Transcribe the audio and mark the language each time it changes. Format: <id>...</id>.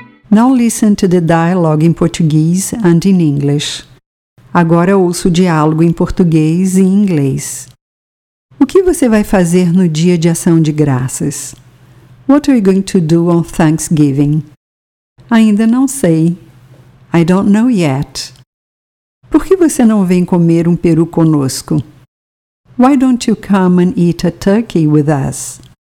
<en>Now listen to the dialogue in Portuguese and in English.</en> <pt>Agora ouço o diálogo em português e em inglês. O que você vai fazer no Dia de Ação de Graças?</pt> <en>What are you going to do on Thanksgiving?</en> <pt>Ainda não sei.</pt> <en>I don't know yet.</en> <pt>Por que você não vem comer um peru conosco?</pt> <en>Why don't you come and eat a turkey with us?</en>